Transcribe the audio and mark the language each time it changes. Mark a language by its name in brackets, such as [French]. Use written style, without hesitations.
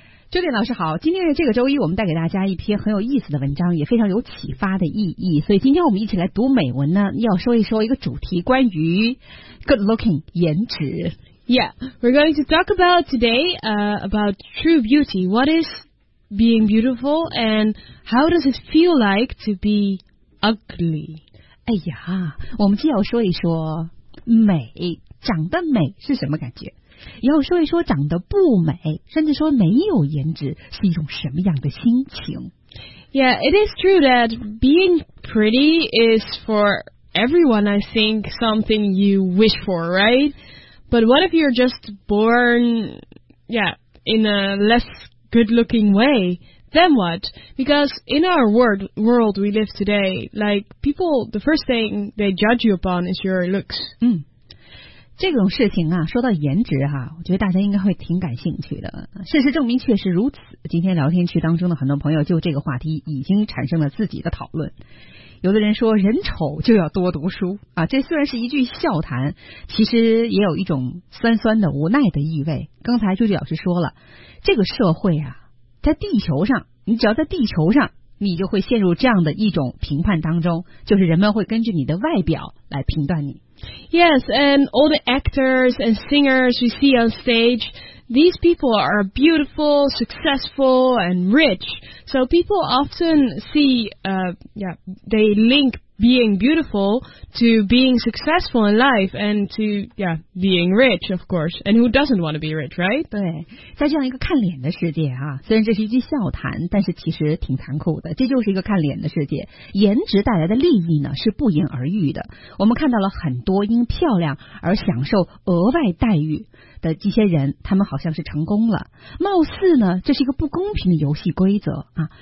[Chinese] 周丽老师好，今天是这个周一，我们带给大家一篇很有意思的文章，也非常有启发的意义，所以今天我们一起来读美文呢，要说一说一个主题，关于 [English] good looking [Chinese] 颜值。 [English] Yeah, we're going to talk about today about true beauty. What is being beautiful and how does it feel like to be ugly? [Chinese] 哎呀，我们既要说一说美，长得美是什么感觉，也要说一说长得不美，甚至说没有颜值是一种什么样的心情。 [English] Yeah, it is true that being pretty is for everyone, I think, something you wish for, right? But what if you're just born, yeah, in a less good-looking way? Then what? Because in our world we live today, like, people, the first thing they judge you upon is your looks. [Chinese] 这种事情啊，说到颜值哈，我觉得大家应该会挺感兴趣的。事实证明确实如此，今天聊天区当中的很多朋友就这个话题已经产生了自己的讨论。有的人说人丑就要多读书啊，这虽然是一句笑谈，其实也有一种酸酸的无奈的意味。刚才朱迪老师说了，这个社会啊，在地球上，你只要在地球上，你就会陷入这样的一种评判当中，就是人们会根据你的外表来评断你。 [English] Yes, and all the actors and singers we see on stage, these people are beautiful, successful, and rich. So people often see, they link being beautiful to being successful in life and to, yeah, being rich, of course. And who doesn't want to be rich, right? [Chinese] 对，在这样一个看脸的世界啊，虽然这是一句笑谈，但是其实挺残酷的。这就是一个看脸的世界，颜值带来的利益呢，是不言而喻的。我们看到了很多因漂亮而享受额外待遇的这些人，他们好像是成功了，貌似呢这是一个不公平的游戏规则啊！